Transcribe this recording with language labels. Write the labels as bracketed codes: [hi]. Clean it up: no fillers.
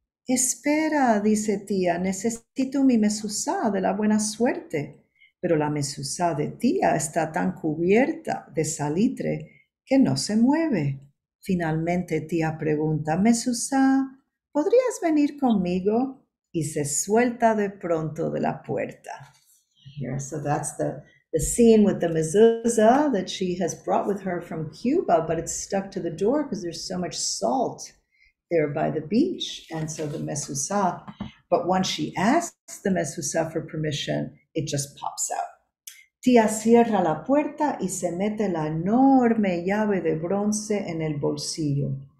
[es] Espera, dice tía, necesito mi mesusa de la buena suerte. Pero la mesusa de tía está tan cubierta de salitre que no se mueve. Finalmente tía pregunta, mesusa, ¿podrías venir conmigo? Y se suelta de pronto de la puerta. [en] Here, so that's the scene with the mezuzah that she has brought with her from Cuba, but it's stuck to the door because there's so much salt there by the beach. And so the mezuzah, but once she asks the mezuzah for permission, it just pops out. [es] Tía cierra la puerta y se mete la enorme llave de bronce en el bolsillo.